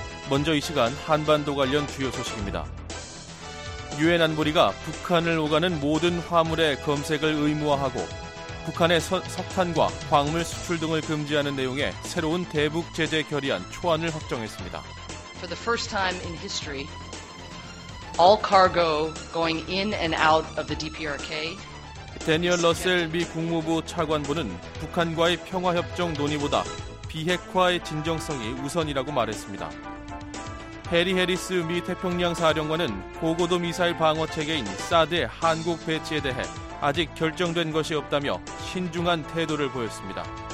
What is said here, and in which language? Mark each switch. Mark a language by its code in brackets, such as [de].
[ko] 먼저 이 시간 한반도 관련 주요 소식입니다. 유엔 안보리가 북한을 오가는 모든 화물의 검색을 의무화하고 북한의 석탄과 광물 수출 등을 금지하는 내용의 새로운 대북 제재 결의안 초안을 확정했습니다. [en] For the first time in history, all cargo going in and out of the DPRK. [ko] 대니얼 러셀 미 국무부 차관보는 북한과의 평화협정 논의보다 비핵화의 진정성이 우선이라고 말했습니다. 해리 해리스 미 태평양 사령관은 고고도 미사일 방어 체계인 사드의 한국 배치에 대해 아직 결정된 것이 없다며 신중한 태도를 보였습니다.